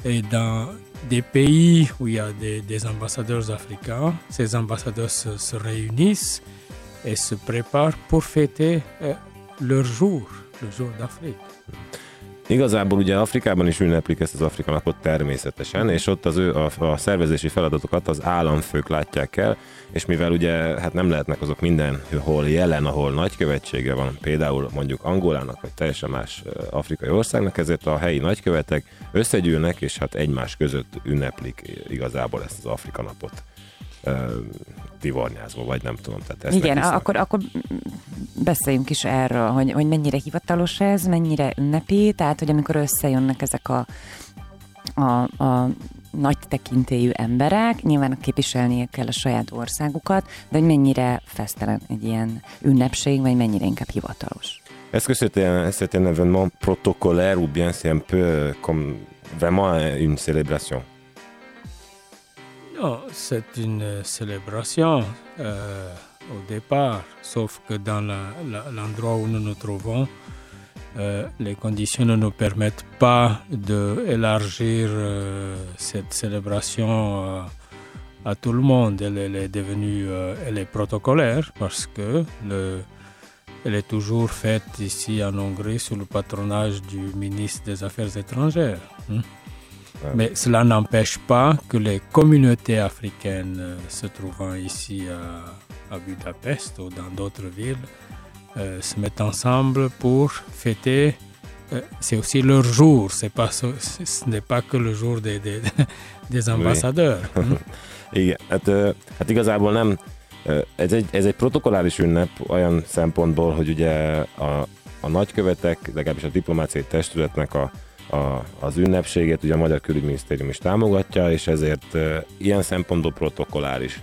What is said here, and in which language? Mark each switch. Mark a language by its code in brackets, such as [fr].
[fr] dans des pays où il y a des ambassadeurs africains, ces ambassadeurs se réunissent et se préparent pour fêter leur jour, le jour d'Afrique. [hu] Igazából ugye Afrikában is ünneplik ezt az Afrika napot természetesen, és ott az ő a szervezési feladatokat az államfők látják el, és mivel ugye hát nem lehetnek azok mindenhol jelen, ahol nagykövetsége van, például mondjuk Angolának, vagy teljesen más afrikai országnak, ezért a helyi nagykövetek összegyűlnek, és hát egymás között ünneplik igazából ezt az Afrika napot divornyázva, vagy nem tudom. Tehát ezt igen, akkor beszéljünk is erről, hogy mennyire hivatalos ez, mennyire ünnepi, tehát, hogy amikor összejönnek ezek a nagy tekintélyű emberek, nyilván képviselniük kell a saját országukat, de hogy mennyire fesztelen egy ilyen ünnepség, vagy mennyire inkább hivatalos. [fr] Est-ce que c'est un événement protocolaire, ou bien c'est un peu comme vraiment une célébration? Non, c'est une célébration au départ, sauf que dans l'endroit où nous nous trouvons, les conditions ne nous permettent pas d'élargir cette célébration à tout le monde. Elle est devenue, elle est protocolaire parce que elle est toujours faite ici en Hongrie sous le patronage du ministre des Affaires étrangères. Mais cela n'empêche pas que les communautés africaines se trouvant ici à Budapest ou dans d'autres villes se mettent ensemble pour fêter. C'est aussi leur jour, ce n'est pas que le jour des ambassadeurs. [hu] Oui. Igen, hát igazából nem. Ez egy protokollális ünnep olyan szempontból, hogy ugye a nagykövetek, legalábbis a diplomáciai testületnek az ünnepséget ugye a Magyar Külügyminisztérium is támogatja, és ezért ilyen szempontból protokolláris.